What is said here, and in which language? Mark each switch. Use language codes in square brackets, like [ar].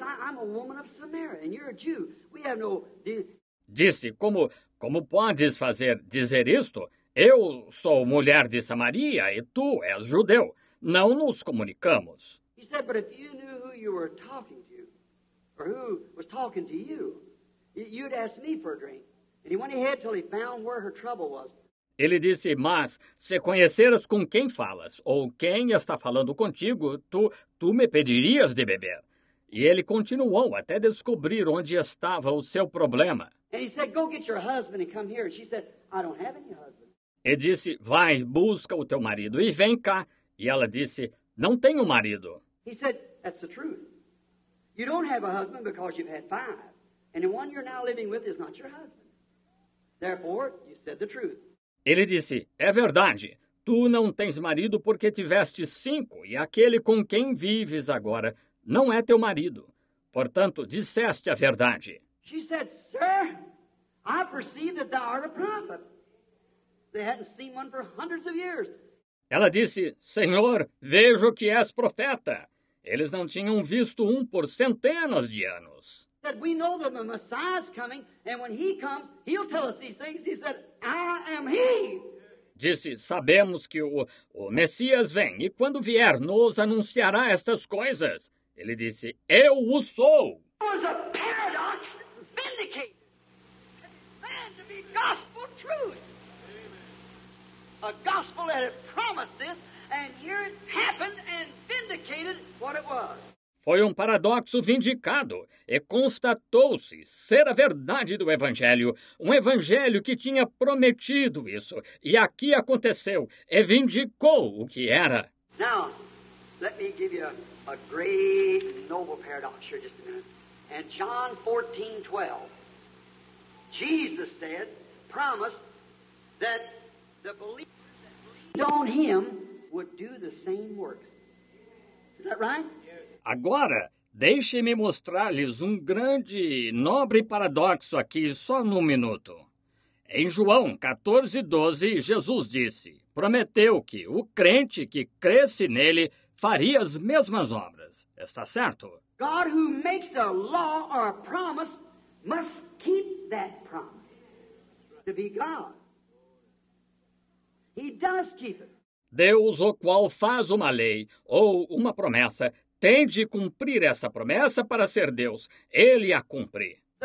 [en] I'm a woman of Samaria and you're a Jew. We have no. [pt] Disse, como podes dizer isto? Eu sou mulher de Samaria e tu és judeu. Não nos comunicamos. [en] He said, but if you knew who you were talking to, or who was talking to you, You'd ask me for a drink. And he went ahead till he found where her trouble was. [pt] Ele disse, mas se conheceras com quem falas, ou quem está falando contigo, tu me pedirias de beber. E ele continuou até descobrir onde estava o seu problema. [en] And he said, go get your husband and come here. She said, I don't have any husband. [pt] E disse, vai, busca o teu marido e vem cá. E ela disse, não tenho marido. [en] He said, that's the truth. You don't have a husband because you've had five. And the one you're now living with is not your husband. Therefore, you said the truth. [pt] Ele disse, é verdade, tu não tens marido porque tiveste cinco, e aquele com quem vives agora não é teu marido. Portanto, disseste a verdade. [en] She said, sir, I perceive that thou art a prophet. They hadn't seen one for hundreds of years. [pt] Ela disse, senhor, vejo que és profeta. Eles não tinham visto um por centenas de anos. [en] Said, we know that the Messiah is coming, and when he comes, he'll tell us these things. He said, I am he. [pt] Disse, sabemos que o Messias vem, e quando vier, nos anunciará estas coisas. Ele disse, eu o sou. [en] It was a paradox vindicated. Man to be gospel truth. A gospel that had promised this, and here it happened and vindicated what it was. [pt] Foi um paradoxo vindicado e constatou-se ser a verdade do Evangelho, um Evangelho que tinha prometido isso, e aqui aconteceu, e vindicou o que era. [en] Now, let me give you a great, noble paradox here just a minute. And John 14, 12, Jesus said, promised that the believers that believed on him would do the same works. Is that right? [pt] Agora, deixe-me mostrar-lhes um grande, nobre paradoxo aqui, só num minuto. Em João 14, 12, Jesus disse, prometeu que o crente que cresce nele faria as mesmas obras. Está certo? [en] God who makes a law or a promise must keep that promise to be God. He does keep it. [pt] Deus, o qual faz uma lei ou uma promessa, tem de cumprir essa promessa para ser Deus. Ele a cumpre.